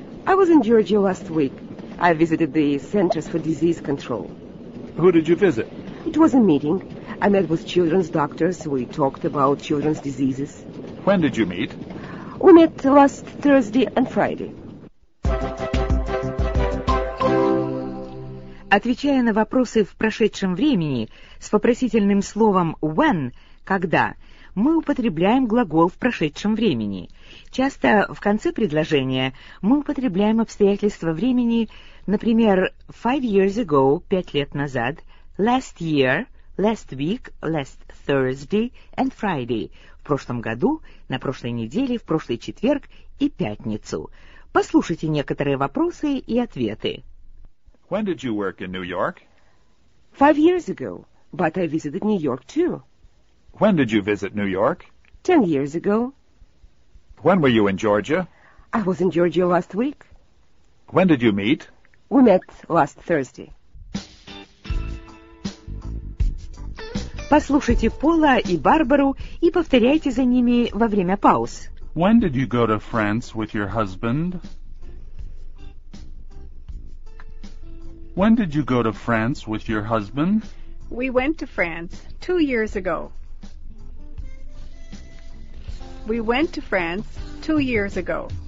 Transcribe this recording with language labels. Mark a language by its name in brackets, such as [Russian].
[English] I was in Georgia last week. I visited the Centers for Disease Control. Who did you visit? It was a meeting. I met with children's doctors. We talked about children's diseases. When did you meet? We met last Thursday and Friday. [Russian] Отвечая на вопросы в прошедшем времени с вопросительным словом when, когда, мы употребляем глагол в прошедшем времени. Часто в конце предложения мы употребляем обстоятельства времени, например, [English] 5 years ago, [Russian] 5 лет назад, [English] last year, last week, last Thursday and Friday, [Russian] в прошлом году, на прошлой неделе, в прошлый четверг и пятницу. Послушайте некоторые вопросы и ответы. [English] When did you work in New York? 5 years ago, but I visited New York too. When did you visit New York? 10 years ago. When were you in Georgia? I was in Georgia last week. When did you meet? We met last Thursday. [Russian] Послушайте Пола и Барбару и повторяйте за ними во время пауз. [English] When did you go to France with your husband? When did you go to France with your husband? We went to France 2 years ago. We went to France 2 years ago.